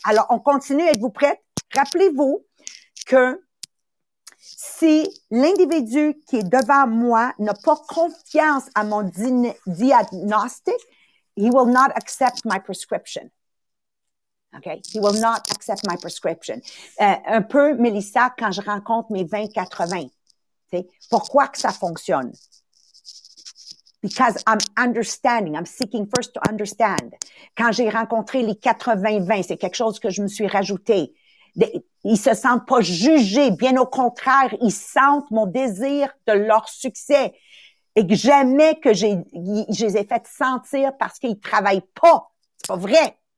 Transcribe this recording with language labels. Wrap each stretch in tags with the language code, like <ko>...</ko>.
<fr>Alors, on continue. Êtes-vous prête? Rappelez-vous que si l'individu qui est devant moi n'a pas confiance à mon diagnostic,</fr> <en>he will not accept my prescription. Okay? He will not accept my prescription.</en> <fr>Un peu, Mélissa, quand je rencontre mes 20-80, pourquoi que ça fonctionne?</fr> <en>Because I'm understanding, I'm seeking first to understand.</en> <fr>Quand j'ai rencontré les 80-20, c'est quelque chose que je me suis rajouté. Ils se sentent pas jugés, bien au contraire, ils sentent mon désir de leur succès et que jamais que je les ai fait sentir parce qu'ils travaillent pas, c'est pas vrai.</fr>